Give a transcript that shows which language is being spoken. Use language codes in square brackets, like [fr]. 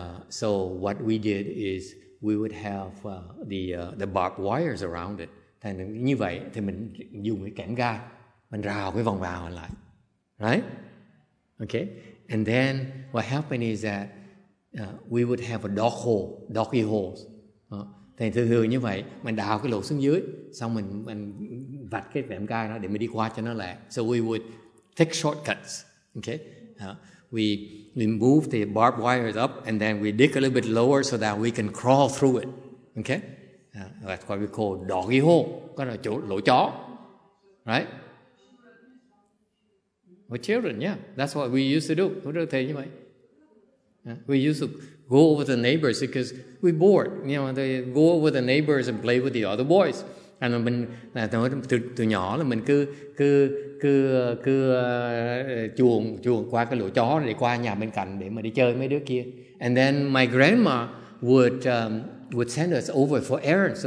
[en] So what we did is we would have the barbed wires around it. [vi] Thành như vậy thì mình dùng cái kẽm gai mình rào cái vòng vào lại. [en] Right? Okay. And then what happened is that we would have a dog hole, doggy holes. [vi] Thành thường thường như vậy mình đào cái lỗ xuống dưới xong mình vạch cái kẽm gai đó để mình đi qua cho nó lẹ. [en] So we would take shortcuts. Okay. We move the barbed wires up and then we dig a little bit lower so that we can crawl through it. Okay? That's what we call doggy hole. [vi] Có là chỗ lỗ chó. [en] Right? For children, yeah. That's what we used to do. [vi] Không được thầy như vậy. [en] We used to go over the neighbors because we bored. You know, they go over the neighbors and play with the other boys. And then [vi] từ nhỏ là mình cứ chuồng qua cái lỗ chó để qua nhà bên cạnh để mà đi chơi mấy đứa kia. [en] And then my grandma would send us over for errands.